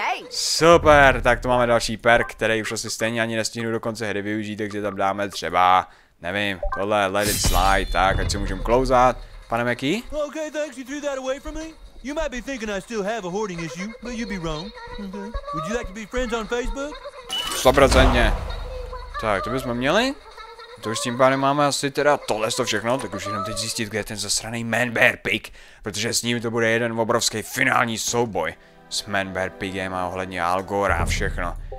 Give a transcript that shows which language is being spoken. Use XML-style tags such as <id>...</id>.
<cs>Super, tak to máme další perk, který už asi stejně ani nestihnu do konce hry využít, takže tam dáme třeba, nevím, tohle Let It Slide, tak ať si můžem klouzat. Pane Mackie?</cs> <en>Okay, thanks, you threw that away from me. You might be thinking I still have a hoarding issue, but you'd be wrong. Would you like to be friends on Facebook?</en> <cs>100%. Tak, to bychom měli. To už s tím pádem máme asi teda tohle to všechno, tak už jenom teď zjistit, kde je ten zasraný Man Bear Pig, protože s ním to bude jeden obrovský finální souboj s Man Bear Pigem a ohledně Al Gore a všechno.</cs>